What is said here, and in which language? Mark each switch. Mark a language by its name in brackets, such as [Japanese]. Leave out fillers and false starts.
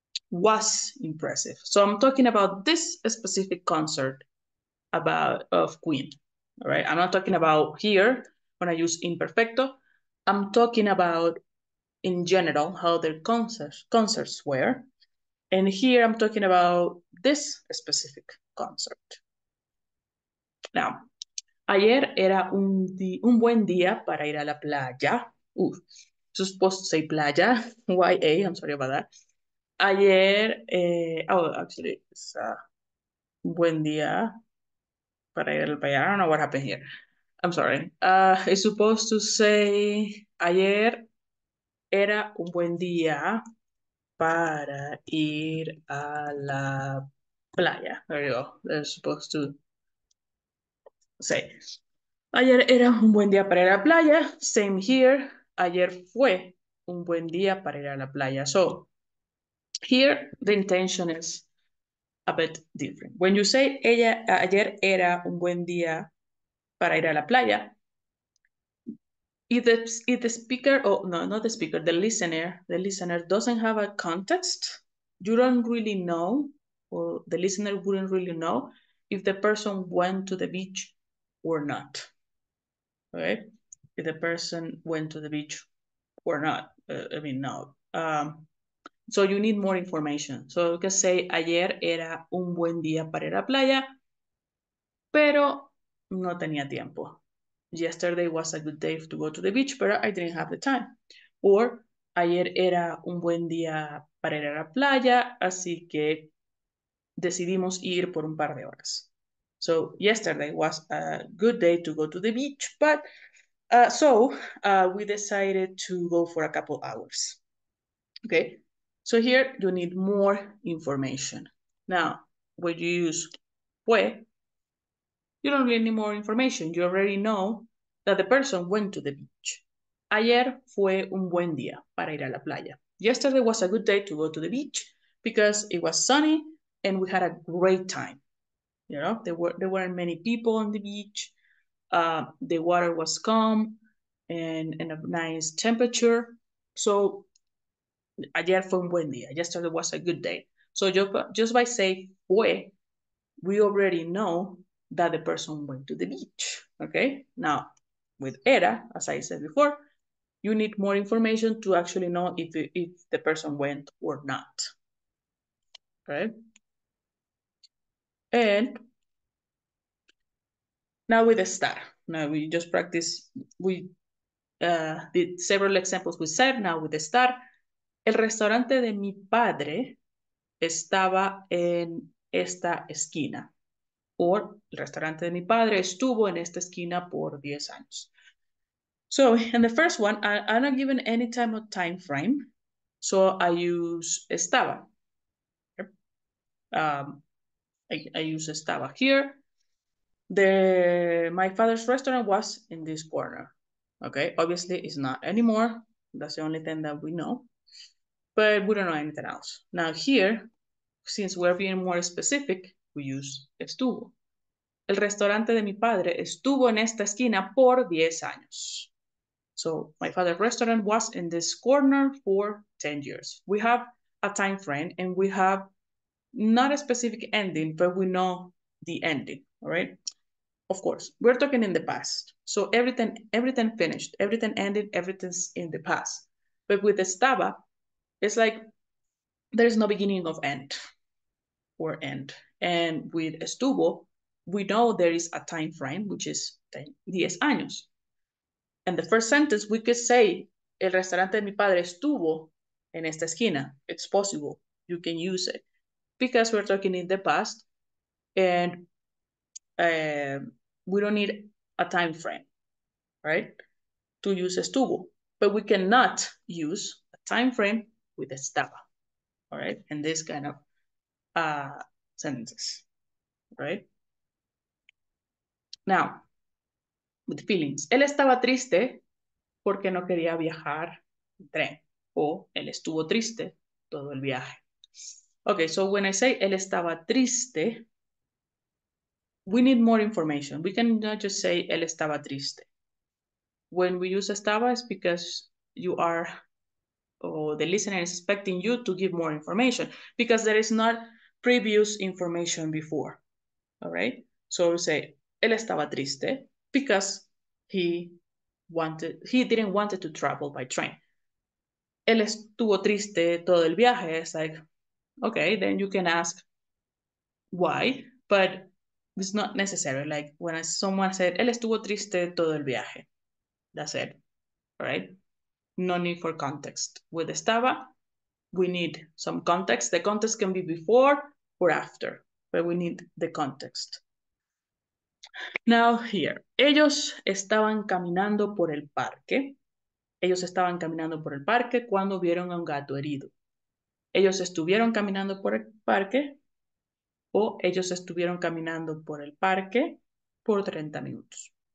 [English] Was impressive. So I'm talking about this specific concert of Queen. All right. I'm not talking about here when I use imperfecto. I'm talking about in general how their concerts were. And here I'm talking about this specific concert. Now, [Spanish] ayer era un buen día para ir a la playa. [English] Supposed to say playa. YA, I'm sorry about that. Ayer, actually, it's a [Spanish] buen día para ir a la playa. [English] I don't know what happened here. I'm sorry. It's supposed to say [Spanish] ayer era un buen día para ir a la playa. [English] There you go. They're supposed to say, [Spanish] ayer era un buen día para ir a la playa. [English] Same here. [Spanish] Ayer fue un buen día para ir a la playa. [English] So, here the intention is a bit different. When you say [Spanish] ayer era un buen día para ir a la playa, [English] if the speaker, oh no, not the speaker, the listener doesn't have a context, you don't really know, or the listener wouldn't really know if the person went to the beach or not. Okay? If the person went to the beach or not. I mean, no. So you need more information. So you can say, [Spanish] ayer era un buen día para ir a playa, pero no tenía tiempo. [English] Yesterday was a good day to go to the beach, but I didn't have the time. [Spanish] Or, ayer era un buen día para ir a la playa, así que decidimos ir por un par de horas. [English] So, yesterday was a good day to go to the beach, but we decided to go for a couple hours. Okay, so here you need more information. Now, when you use fue, you don't need any more information. You already know that the person went to the beach. [Spanish] Ayer fue un buen día para ir a la playa. [English] Yesterday was a good day to go to the beach because it was sunny and we had a great time. You know, there weren't many people on the beach. The water was calm and a nice temperature. So, [Spanish] ayer fue un buen día. [English] Yesterday was a good day. So, just by saying fue, we already know that the person went to the beach. Okay? Now, with era, as I said before, you need more information to actually know if the person went or not, right? And now with estar. Now we just practice, we did several examples with ser, now with estar. [Spanish] El restaurante de mi padre estaba en esta esquina. Or, el restaurante de mi padre estuvo en esta esquina por 10 años. [English] So, in the first one, I'm not given any type of time frame, so I use estaba. I use estaba here. My father's restaurant was in this corner. Okay, obviously it's not anymore. That's the only thing that we know, but we don't know anything else. Now here, since we're being more specific, we use estuvo. [Spanish] El restaurante de mi padre estuvo en esta esquina por 10 años. [English] So my father's restaurant was in this corner for 10 years. We have a time frame and we have not a specific ending, but we know the ending, all right? Of course, we're talking in the past. So everything finished, everything ended, everything's in the past. But with estaba, it's like there's no beginning of end or end. And with estuvo, we know there is a time frame, which is 10 años. And the first sentence, we could say, [Spanish] el restaurante de mi padre estuvo en esta esquina. [English] It's possible. You can use it. Because we're talking in the past, and we don't need a time frame, right, to use estuvo. But we cannot use a time frame with estaba, all right, in this kind of sentences, right? Now, with feelings. [Spanish] Él estaba triste porque no quería viajar en tren. O él estuvo triste todo el viaje. [English] Okay, so when I say [Spanish] él estaba triste, [English] we need more information. We cannot just say [Spanish] él estaba triste. [English] When we use estaba, it's because you are, or the listener is expecting you to give more information because there is not previous information before. All right? So we say [Spanish] él estaba triste [English] because he didn't want to travel by train. [Spanish] Él estuvo triste todo el viaje. [English] It's like, okay, then you can ask why, but it's not necessary. Like when someone said, [Spanish] él estuvo triste todo el viaje. [English] That's it, all right? No need for context. With estaba, we need some context. The context can be before or after, but we need the context. Now here, [Spanish] ellos estaban caminando por el parque. Ellos estaban caminando por el parque cuando vieron a un gato herido. Ellos estuvieron caminando por el parque o ellos estuvieron caminando por el parque por 30 minutos.